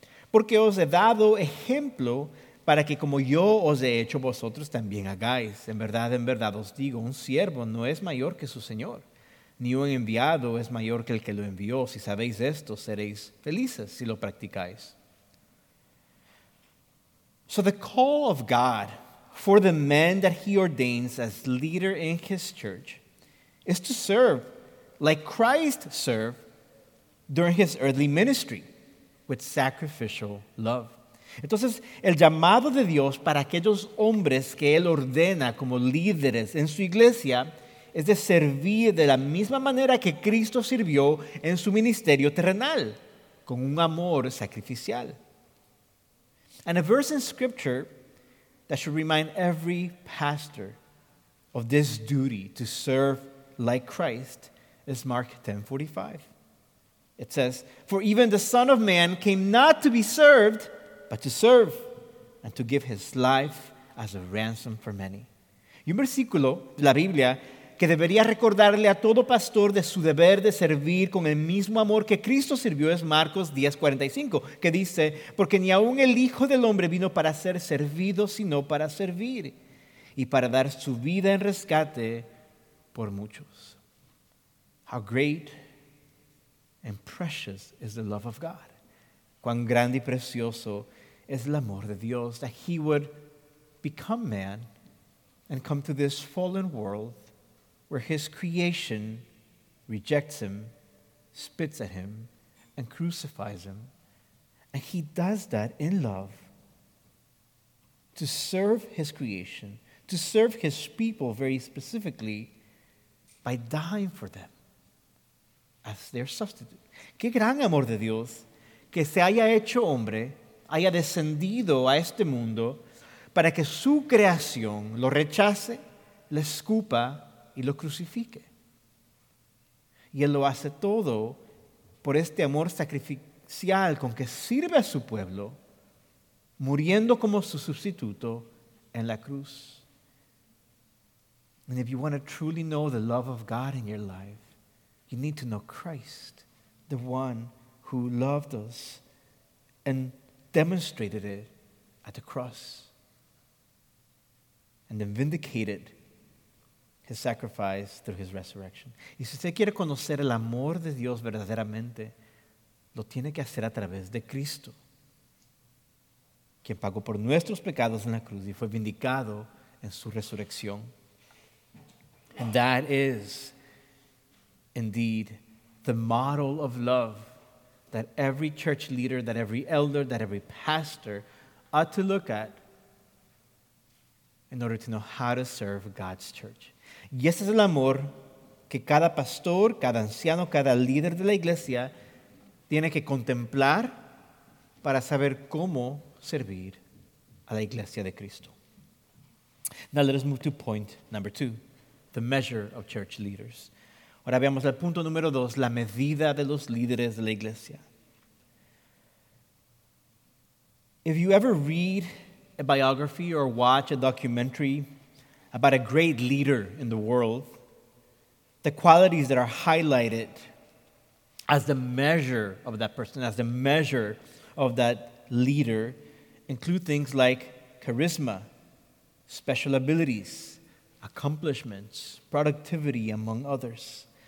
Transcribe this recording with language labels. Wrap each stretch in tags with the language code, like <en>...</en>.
<es>Porque os he dado ejemplo para que como yo os he hecho, vosotros también hagáis. En verdad os digo, un siervo no es mayor que su señor, ni un enviado es mayor que el que lo envió. Si sabéis esto, seréis felices si lo practicáis.</es> <en>So the call of God for the men that he ordains as leader in his church is to serve like Christ served during his earthly ministry with sacrificial love.</en> <es>Entonces, el llamado de Dios para aquellos hombres que él ordena como líderes en su iglesia es de servir de la misma manera que Cristo sirvió en su ministerio terrenal, con un amor sacrificial.</es> <en>And a verse in Scripture that should remind every pastor of this duty to serve like Christ is Mark 10:45. It says, "For even the Son of Man came not to be served, but to serve, and to give his life as a ransom for many."</en> <es>Y un versículo de la Biblia que debería recordarle a todo pastor de su deber de servir con el mismo amor que Cristo sirvió es Marcos 10:45, que dice, "Porque ni aun el Hijo del Hombre vino para ser servido, sino para servir, y para dar su vida en rescate por muchos."</es> <en>How great and precious is the love of God.</en> <es>Cuán grande y precioso es el amor de Dios,</es> <en>that he would become man and come to this fallen world where his creation rejects him, spits at him, and crucifies him. And he does that in love to serve his creation, to serve his people very specifically by dying for them as their substitute.</en> <es>Qué gran amor de Dios que se haya hecho hombre, haya descendido a este mundo para que su creación lo rechace, le escupa y lo crucifique. Y él lo hace todo por este amor sacrificial con que sirve a su pueblo, muriendo como su sustituto en la cruz.</es> <en>And if you want to truly know the love of God in your life, you need to know Christ, the one who loved us and demonstrated it at the cross and then vindicated his sacrifice through his resurrection.</en> <es>Y si usted quiere conocer el amor de Dios verdaderamente, lo tiene que hacer a través de Cristo, quien pagó por nuestros pecados en la cruz y fue vindicado en su resurrección.</es> <en>And that is indeed the model of love that every church leader, that every elder, that every pastor ought to look at in order to know how to serve God's church.</en> <es>Y ese es el amor que cada pastor, cada anciano, cada líder de la iglesia tiene que contemplar para saber cómo servir a la iglesia de Cristo.</es> <en>Now let us move to point number two, the measure of church leaders.</en> <es>Ahora veamos el punto número dos, la medida de los líderes de la iglesia.</es> <en>If you ever read a biography or watch a documentary about a great leader in the world, the qualities that are highlighted as the measure of that person, as the measure of that leader, include things like charisma, special abilities, accomplishments, productivity, among others.</en>